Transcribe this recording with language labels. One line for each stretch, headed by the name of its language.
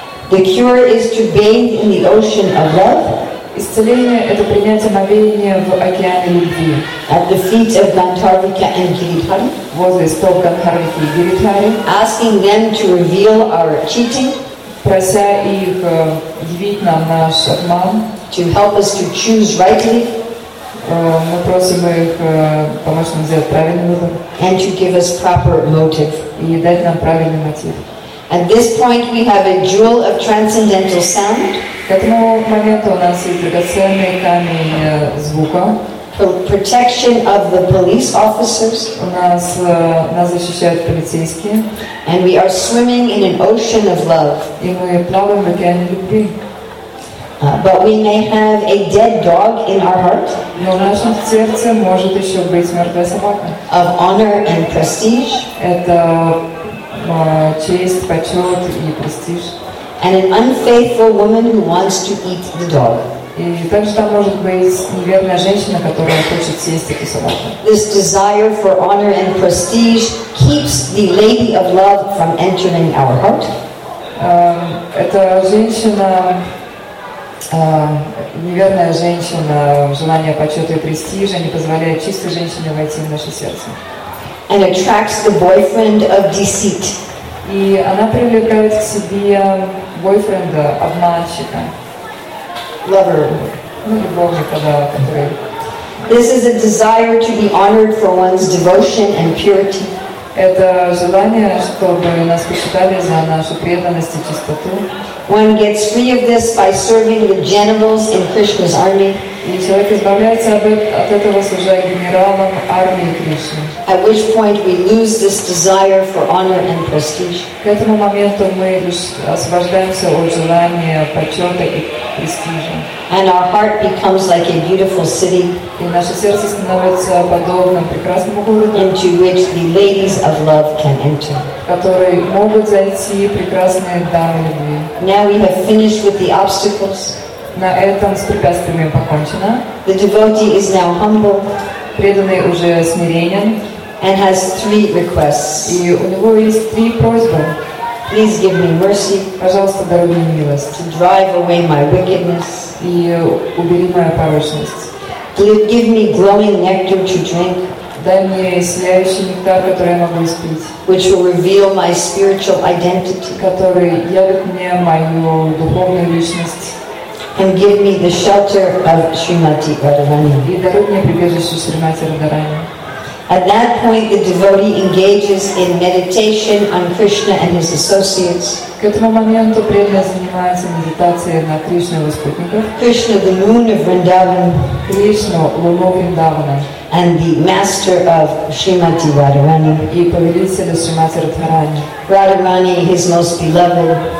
English: The cure is to bathe in the ocean of love.
Russian: Исцеление – это принять омовение в океане любви.
English: At the feet of Gandharvika and Giridhari.
Russian: Возле стоп Гандхарвики и Гиридхари.
English: Asking them to reveal our cheating.
Russian: Прося их явить нам наш обман.
English: To help us to choose rightly.
Russian: Мы просим их помочь нам сделать правильный выбор.
English: And to give us proper motive.
Russian: И дать нам правильный мотив.
English: At this point, we have a jewel of transcendental sound.
Russian: К этому моменту у нас есть драгоценный камень звука.
English: Protection of the police officers.
Russian: У нас нас защищают полицейские.
English: And we are swimming in an ocean of love.
Russian: И мы плаваем в океане любви.
English: But we may have a dead dog in our heart.
Russian: Но в нашем сердце может еще быть мертвая собака.
English: Of honor and prestige.
Russian: Это честь, почет и престиж.
English: And an unfaithful woman who wants to eat the dog.
Russian: И также там может быть неверная женщина, которая хочет съесть эту собаку.
English: This desire for honor and prestige keeps the lady of love from entering our heart.
Russian: Эта женщина, неверная женщина, желание почета и престижа не позволяет чистой женщине войти в наше сердце.
English: And attracts the boyfriend of deceit.
Russian: И она привлекает к себе бойфренда, обманщика.
English: Lover.
Russian: Ну, любовника, да, который.
English: This is a desire to be honored for one's devotion and purity.
Russian: Это желание, чтобы нас почитали за нашу преданность и чистоту.
English: One gets free of this by serving the generals in Krishna's army.
Russian: И человек избавляется от этого, служая генералам армии Кришны.
English: At which point we lose this desire for honor and prestige.
Russian: К этому моменту мы освобождаемся от желания почета и престижа.
English: And our heart becomes like a beautiful city.
Russian: И наше сердце становится подобным прекрасному городу.
English: Into which the ladies of love can enter.
Russian: Которые могут зайти прекрасные дамы любви.
English: Now we have finished with the obstacles.
Russian: На этом с препятствиями покончено.
English: The devotee is now humble.
Russian: Преданный уже смиренен.
English: And has three requests.
Russian: И у него есть три просьбы.
English: Please give me mercy.
Russian: Пожалуйста, даруй мне милость.
English: To drive away my wickedness.
Russian: И убери мою порочность.
English: Please give me glowing nectar to drink.
Russian: Дай мне сияющий нектар, который я могу испить.
English: Which will reveal my spiritual identity.
Russian: Который явит мне мою духовную личность.
English: And give me the shelter of Srimati Radharani.
Russian: И даруй мне прибежище Шримати Радхарани.
English: At that point, the devotee engages in meditation on Krishna and his associates.
Russian: К этому моменту преданный занимается медитацией на Кришну и его спутников.
English: Krishna, the moon of Vrindavan.
Russian: Кришна, луна Вриндавана.
English: And the master of Srimati Radharani.
Russian: И повелитель Шримати Радхарани.
English: Radharani, his most beloved.